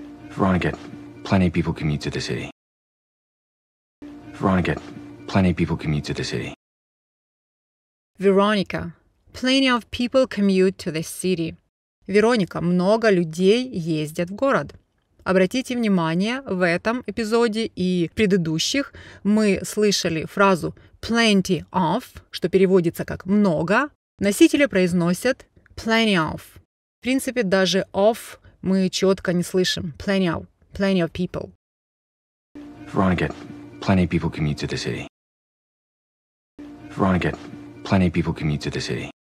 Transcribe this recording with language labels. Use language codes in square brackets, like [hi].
[en] Veronica, plenty of people commute to the city. Veronica, plenty of people commute to the city. Veronica, plenty of people commute to the city. [ru] Вероника, много людей ездят в город. Обратите внимание, в этом эпизоде и предыдущих мы слышали фразу plenty of, что переводится как много. Носители произносят plenty of. В принципе, даже of мы четко не слышим. [en] Plenty of people. Veronica, plenty of people commute to the city. Veronica, plenty of people commute to the city.